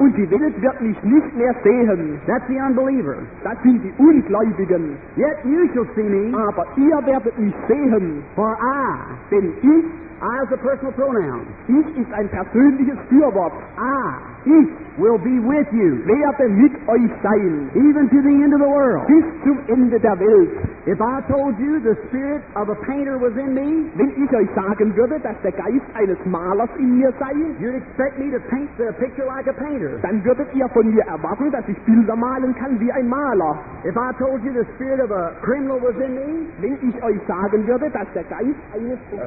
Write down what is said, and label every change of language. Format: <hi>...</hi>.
<de>und die Welt wird mich nicht mehr sehen.</de> <en>That's the unbeliever,</en> <de>das sind die Ungläubigen.</de> <en>Yet you shall see me,</en> <de>aber ihr werdet mich sehen.</de> <en>For I,</en> <de>denn ich,</de> <en>I is a personal pronoun,</en> <de>ich ist ein persönliches Fürwort.</de> <en>Ah, ich will be with you,</en> <de>werde mit euch sein,</de> <en>even to the end of the world,</en> <de>bis zum Ende der Welt.</de> <en>If I told you the spirit of a painter was in me,</en> <de>wenn ich euch sagen würde, dass der Geist eines Malers in mir sei,</de> <en>you'd expect me to paint the picture like a painter,</en> <de>dann würdet ihr von mir erwarten, dass ich Bilder malen kann wie ein Maler.</de> <en>If I told you the spirit of a criminal was in me,</en> <de>wenn ich euch sagen würde, dass der Geist eines</de>